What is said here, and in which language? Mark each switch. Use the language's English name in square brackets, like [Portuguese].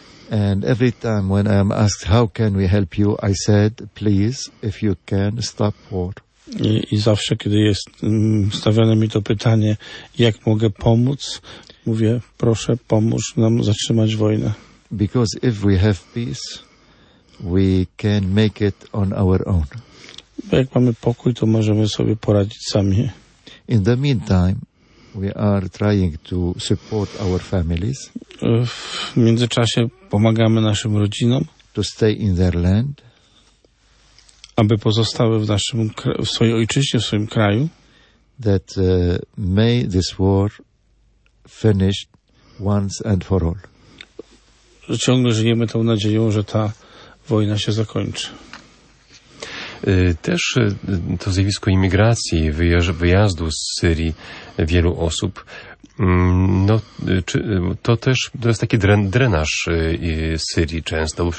[English] And every time when I am asked how can we help you, I said, please, if you can, stop war. [Polish] I zawsze, kiedy jest stawiane mi to pytanie, jak mogę pomóc, mówię, proszę, pomóż nam zatrzymać wojnę. [English] Because if we have peace, we can make it on our own. [Polish] Bo jak mamy pokój, to możemy sobie poradzić sami. [English] In the meantime, We are trying to support our families. [Polish] W międzyczasie pomagamy naszym rodzinom. [English] To stay in their land. [Polish] Aby pozostały w naszym w swojej ojczyźnie, w swoim kraju. [English] That may this war finish once and for all. [Polish] Że ciągle żyjemy tą nadzieją, że ta wojna się zakończy. Też to zjawisko imigracji, wyjazdu z Syrii wielu osób, no, czy, to też to jest taki drenaż Syrii często.